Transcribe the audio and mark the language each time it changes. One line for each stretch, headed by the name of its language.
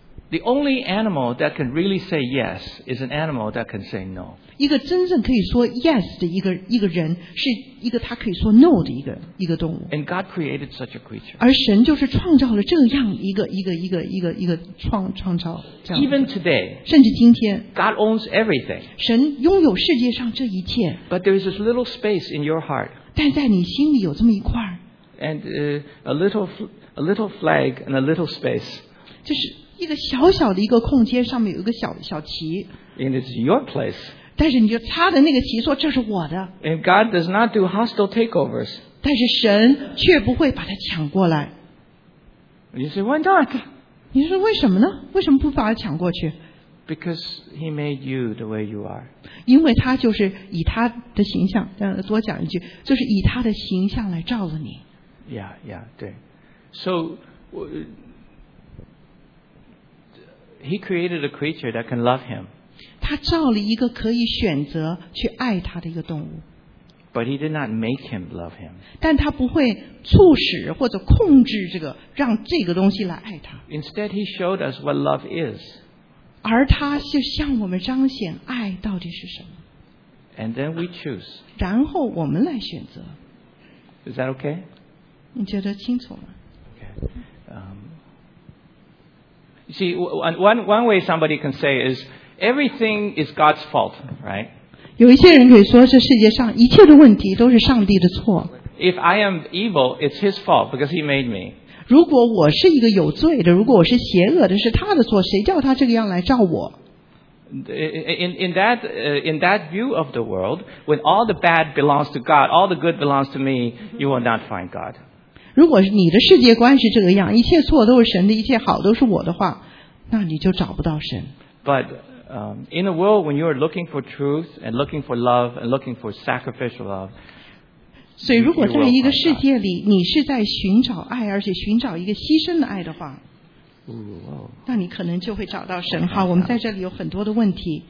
English: The only animal that can really say yes is an animal that can say no.
Chinese: 一个真正可以说 yes 的一个人，是一个他可以说 no 的一个动物。
English: And God created such a creature.
Chinese: 而神就是创造了这样一个创造这样。
English: Even today,
Chinese: 甚至今天
English: ，God owns everything.
Chinese: 神拥有世界上这一切。
English: But there is this little space in your heart.
Chinese: 但在你心里有这么一块。
English: And a little flag and a little space.
Chinese: 就是一个小小的一个空间，上面有一个小旗。
English: And it's your place.
Chinese: 但是你就擦的那个旗说这是我的。
English: And God does not do hostile takeovers.
Chinese: 但是神却不会把它抢过来。
English: You say, why not?
Chinese: 你说为什么呢？为什么不把它抢过去？
English: Because he made you the way you are.
Chinese: 因为他就是以他的形象，多讲一句，就是以他的形象来照着你。
English: Yeah, yeah,
Chinese: 对。
English: So, he created a creature that can love him.
Chinese: 他造了一个可以选择去爱他的一个动物。
English: But he did not make him love him.
Chinese: 但他不会促使或者控制这个，让这个东西来爱他。
English: Instead, he showed us what love is.
Chinese: 而他就向我们彰显爱到底是什么。
English: And then we choose.
Chinese: 然后我们来选择。
English: Is that okay?
Chinese: 你觉得清楚吗？
English: Okay. You see, one way somebody can say is,Everything is God's fault, right?
Chinese: 有一些人可以说这世界上一切的问题都是上帝的错。
English: If I am evil, it's his fault because he made me.
Chinese: 如果我是一个有罪的，如果我是邪恶的，是他的错，谁叫他这个样来照我？
English: In that view of the world, when all the bad belongs to God, all the good belongs to me, you will not find God.
Chinese: 如果你的世界观是这个样，一切错都是神的，一切好都是我的话，那你就找不到神。
English: But,in a world when you are looking for truth and looking for love and looking for sacrificial love,
Chinese: 所以如果在一个世界里你是在寻找爱，而且寻找一个牺牲的爱的话，那你可能就会找到神。好，我们在这里有很多的问题。